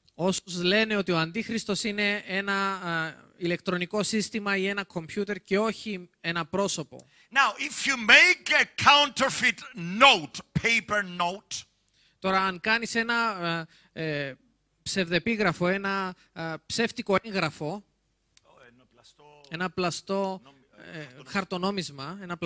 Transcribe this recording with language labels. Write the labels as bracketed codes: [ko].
[el] Όσους λένε ότι ο Αντίχριστος είναι ένα ηλεκτρονικό σύστημα ή ένα computer και όχι ένα πρόσωπο. [en] Now, if you make a counterfeit note, paper note. [el] Τώρα, αν κάνεις ένα ψευδεπίγραφο, ένα ψεύτικο έγγραφο, ένα πλαστό χαρτονόμισμα.